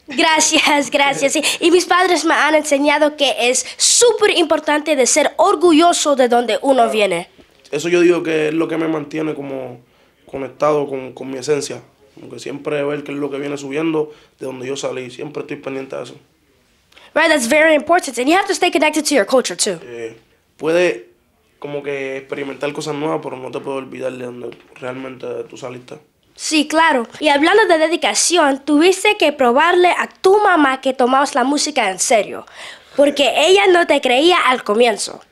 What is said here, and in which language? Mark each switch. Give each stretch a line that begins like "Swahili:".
Spanish: Gracias. Sí. Y mis padres me han enseñado que es súper importante de ser orgulloso de donde uno viene. Eso yo digo que es lo que me mantiene como conectado con mi esencia. Como que siempre ver qué es lo que viene subiendo de donde yo salí. Siempre estoy pendiente de eso.
English: Right, that's very important, and you have to stay connected to your culture too.
Spanish: Puede como que experimentar cosas nuevas, pero no te puedo olvidar de dónde realmente tú saliste. Sí, claro. Y hablando de dedicación, tuviste que probarle a tu mamá que tomabas la música en serio, porque ella no te creía al comienzo.